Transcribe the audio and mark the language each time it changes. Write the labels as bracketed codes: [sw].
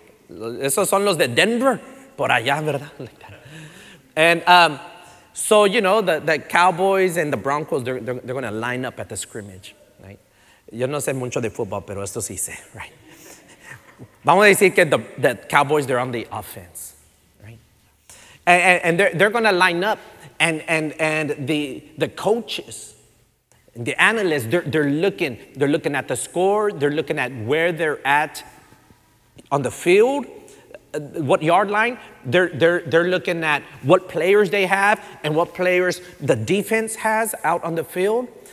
[es] Esos son los de Denver, por allá, ¿verdad? [en] Like that. And so, you know, the Cowboys and the Broncos, they're going to line up at the scrimmage. [es] Yo no sé mucho de fútbol, pero esto sí sé, right? Vamos a decir que [en] the Cowboys, they're on the offense, right? And they're going to line up, and the coaches, the analysts, they're looking at the score, they're looking at where they're at on the field, what yard line, they're looking at what players they have and what players the defense has out on the field.